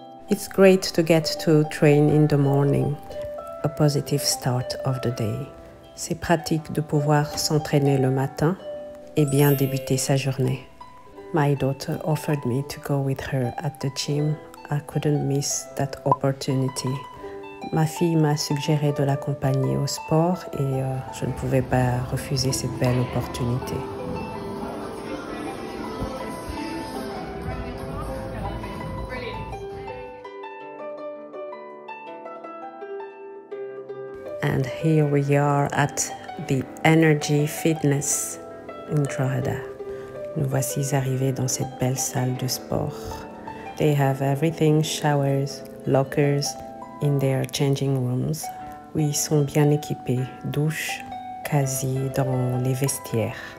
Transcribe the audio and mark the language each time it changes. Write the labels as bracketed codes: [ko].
[en] It's great to get to train in the morning. A positive start of the day. [fr] C'est pratique de pouvoir s'entraîner le matin et bien débuter sa journée. [en] My daughter offered me to go with her at the gym. I couldn't miss that opportunity. [fr] Ma fille m'a suggéré de l'accompagner au sport et je ne pouvais pas refuser cette belle opportunité. [en] And here we are at the Energy Fitness in Trojada. [fr] Nous voici arrivés dans cette belle salle de sport. [en] They have everything, showers, lockers, in their changing rooms. [fr] Oui, ils sont bien équipés, douche, casier dans les vestiaires.